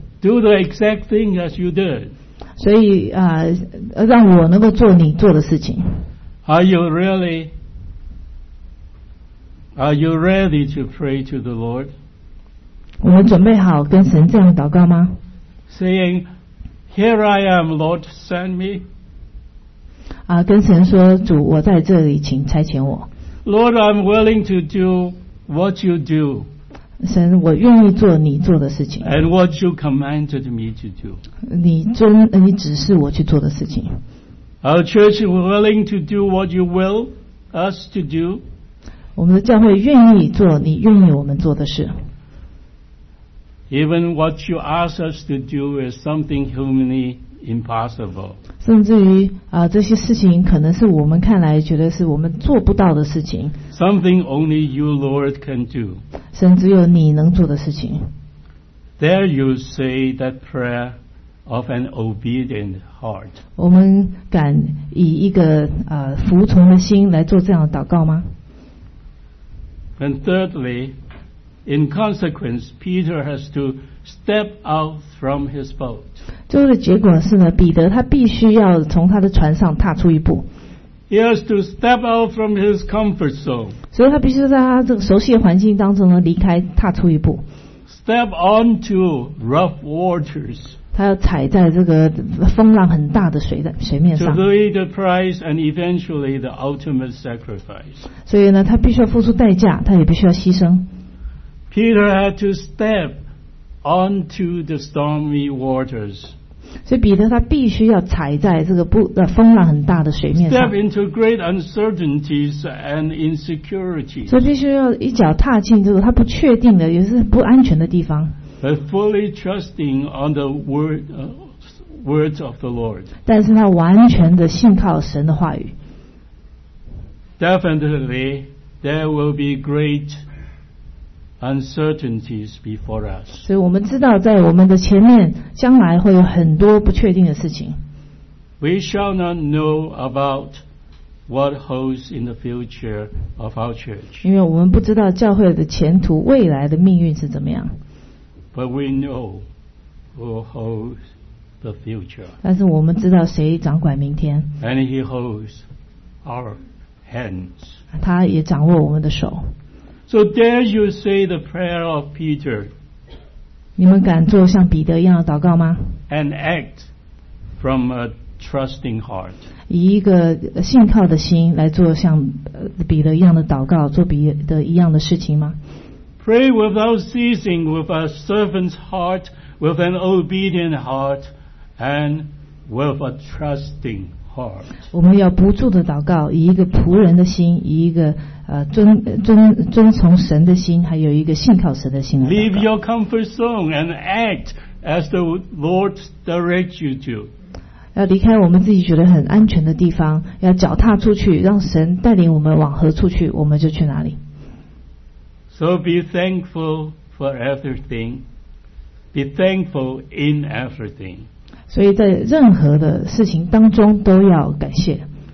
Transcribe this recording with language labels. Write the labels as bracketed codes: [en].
[en] Do the exact thing as you did [zh] 所以让我能够做你做的事情 [en] Are you ready to pray to the Lord [zh] 我们准备好跟神这样祷告吗 [en] Saying Here I am Lord send me [zh] 跟神说主我在这里请差遣我 [en] Lord, I'm willing to do what you do. [zh] 神，我愿意做你做的事情。 [en] And what you commanded me to do. [zh] 你指示我去做的事情。 [en] Our church is willing to do what you will us to do. [zh] 我们的教会愿意做你愿意我们做的事。 [en] Even what you ask us to do is something humanly impossible. [zh] 甚至于这些事情可能是我们看来觉得是我们做不到的事情。 [en] Something only you, Lord, can do. [zh] 甚至有你能做的事情。 [en] There you say that prayer of an obedient heart. [zh] 我们敢以一个服从的心来做这样的祷告吗？ [en] And thirdly, in consequence, Peter has to step out from his boat. [zh] 最后的结果是呢，彼得他必须要从他的船上踏出一步。 [en] He has to step out from his comfort zone. [zh] 所以他必须在他这个熟悉的环境当中呢离开，踏出一步。 [en] Step onto rough waters. [zh] 他要踩在这个风浪很大的水面上。 [en] To pay the price and eventually the ultimate sacrifice. [zh] 所以呢，他必须要付出代价，他也必须要牺牲。 [en] Peter had to step. Onto the stormy waters. [zh] 所以彼得他必须要踩在这个风浪很大的水面上。 [en] Step into great uncertainties and insecurities. [zh] 所以必须要一脚踏进这个他不确定的，也是不安全的地方。 [en] But fully trusting on the words of the Lord. [zh] 但是他完全的信靠神的话语。 [en] Definitely, there will be great. Uncertainties before us. [zh] 所以我们知道，在我们的前面，将来会有很多不确定的事情。 [en] We shall not know about what holds in the future of our church. [zh] 因为我们不知道教会的前途、未来的命运是怎么样。 [en] But we know who holds the future. [zh] 但是我们知道谁掌管明天。 [en] And he holds our hands. [zh] 他也掌握我们的手。 [en] So dare you say the prayer of Peter? [zh] 你们敢做像彼得一样的祷告吗 [en] ？And act from a trusting heart. [zh] 以一个信靠的心来做像彼得一样的祷告，做彼得一样的事情吗 [en] ？Pray without ceasing, with a servant's heart, with an obedient heart, and with a trusting heart. [zh] 我们要不住的祷告，以一个仆人的心，以一个。遵从神的心，还有一个信靠神的心。 [en] Leave your comfort zone and act as the Lord directs you to. [zh] 要离开我们自己觉得很安全的地方，要脚踏出去，让神带领我们往何处去，我们就去哪里。 [en] So be thankful for everything. Be thankful in everything. [zh] 所以在任何的事情当中都要感谢。